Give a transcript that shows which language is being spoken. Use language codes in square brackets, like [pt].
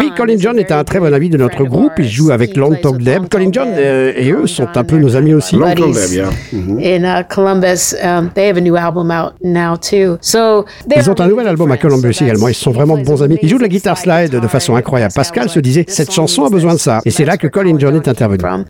[fr] Oui, Colin John est un très bon ami de notre groupe, il joue avec Long Tom Deb. Colin John et eux sont un peu nos amis aussi. [en] Long Tom Deb, yeah. Mm-hmm. In Columbus, they have a new album out now too. So [fr] ils ont un nouvel album à Columbus également, ils sont vraiment de bons amis. Ils jouent de la guitare slide de façon incroyable. Pascal se disait, cette chanson a besoin de ça. Et c'est là que Colin John est intervenu.